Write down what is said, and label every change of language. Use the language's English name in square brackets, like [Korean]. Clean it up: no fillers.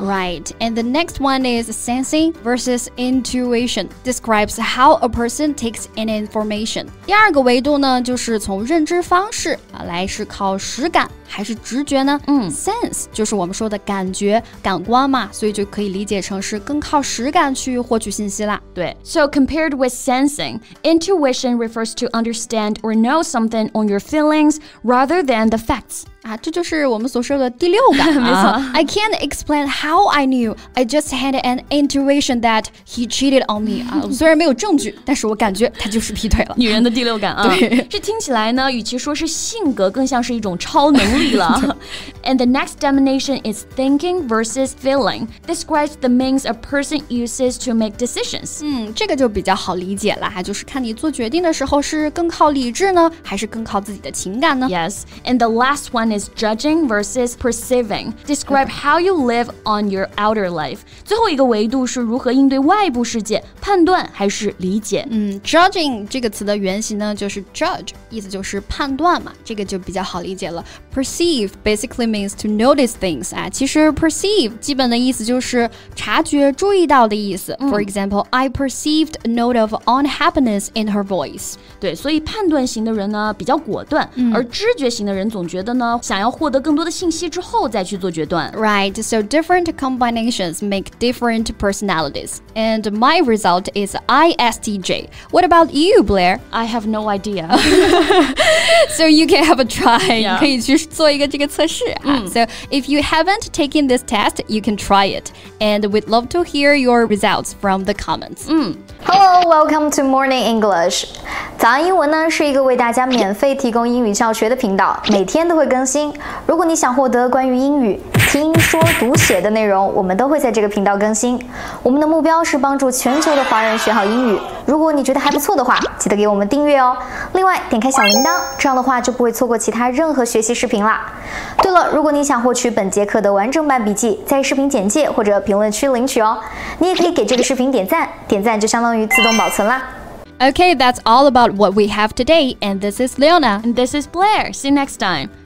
[English] Right. And the next one is sensing versus intuition. Describes how a person takes in information. [Chinese] 第二个维度呢，就是从认知方式啊，来是靠实感。还是直觉呢？ Sense 就是我们说的感觉、感官嘛，所以就可以理解成是更靠实感去获取信息啦。对。 [English] So compared with sensing, intuition refers to understand or know something on your feelings rather than the facts. [Chinese] 啊，这就是我们所说的第六感。没错、 [English] I can't explain how I knew. I just had an intuition that he cheated on me. [Chinese] 虽然没有证据，但是我感觉他就是劈腿了。女人的第六感啊，对，这听起来呢，与其说是性格，更像是一种超能力了。 [English] And the next domination is thinking versus feeling. Describes the means a person uses to make decisions. [Chinese] 这个就比较好理解了，就是看你做决定的时候是更靠理智呢，还是更靠自己的情感呢？ [English] Yes, and the last one is judging versus perceiving. Describe how you live on your outer life. [Chinese] 最后一个维度是如何应对外部世界，判断还是理解？ Judging 这个词的原型呢，就是 judge， 意思就是判断嘛，这个就比较好理解了。 [English] Perceive basically means to notice things. [Chinese] 其实 perceive 基本的意思就是察觉、注意到的意思。 [English] For example, I perceived a note of unhappiness in her voice. [Chinese] 对，所以判断型的人呢比较果断，而知觉型的人总觉得呢想要获得更多的信息之后再去做决断。 [English] Right, so different combinations make different personalities. And my result is ISTJ. What about you, Blair? I have no idea. So you can have a try. Yeah. [Chinese] 可以去做一个这个测试啊。 [English] So if you haven't taken this test, you can try it. And we'd love to hear your results from the comments. Hello, welcome to Morning English. [Chinese] 早安英文呢是一个为大家免费提供英语教学的频道，每天都会更新。如果你想获得关于英语听说读写的内容，我们都会在这个频道更新。我们的目标是帮助全球的华人学好英语。如果你觉得还不错的话，记得给我们订阅哦。另外，点开小铃铛，这样的话就不会错过其他任何学习视频啦。对了，如果你想获取本节课的完整版笔记，在视频简介或者评论区领取哦。你也可以给这个视频点赞，点赞就相当于自动保存啦。 [English] Okay, that's all about what we have today. And this is Leona. And this is Blair. See you next time.